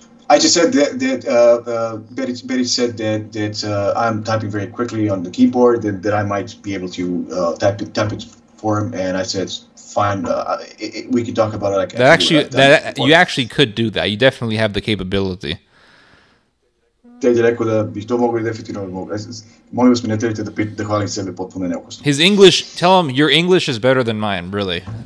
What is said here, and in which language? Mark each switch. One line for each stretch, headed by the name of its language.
English: I just said that Beric said that I'm typing very quickly on the keyboard, that I might be able to type it for him, and I said, fine, we can talk about it. That actually could do that, you definitely have the capability.
Serbian: Ted je rekao da bih to mogao i definitivno mogao. Molim vas mi ne trebite da hvalim sebe potpuno neukusno.
English: His English, tell him, your English is better than mine, really.